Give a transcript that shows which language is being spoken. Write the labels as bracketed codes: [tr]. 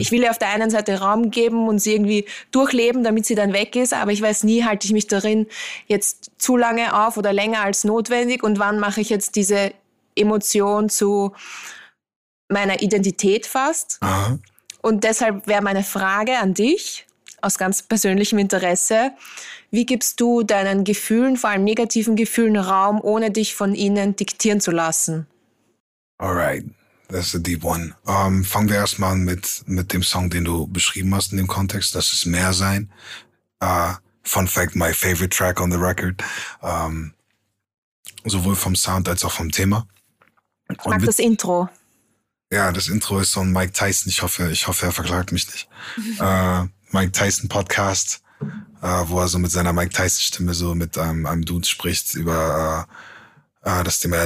[de] Ich will ihr auf der einen Seite Raum geben und sie irgendwie durchleben, damit sie dann weg ist, aber ich weiß nie, halte ich mich darin jetzt zu lange auf oder länger als notwendig und wann mache ich jetzt diese Emotion zu meiner Identität fast. Aha. Und deshalb wäre meine Frage an dich, aus ganz persönlichem Interesse, wie gibst du deinen Gefühlen, vor allem negativen Gefühlen, Raum, ohne dich von ihnen diktieren zu lassen? [en] Alright, that's a deep one. [de] Fangen wir erstmal an mit dem Song, den du beschrieben hast in dem Kontext, das ist mehr sein. [en] Fun fact, my favorite track on the record. [de] Sowohl vom Sound als auch vom Thema. Ich mag das Intro. Ja, das Intro ist so ein Mike Tyson, ich hoffe, er verklagt mich nicht. Mike Tyson Podcast, wo er so mit seiner Mike Tyson Stimme so mit einem Dude spricht über das Thema.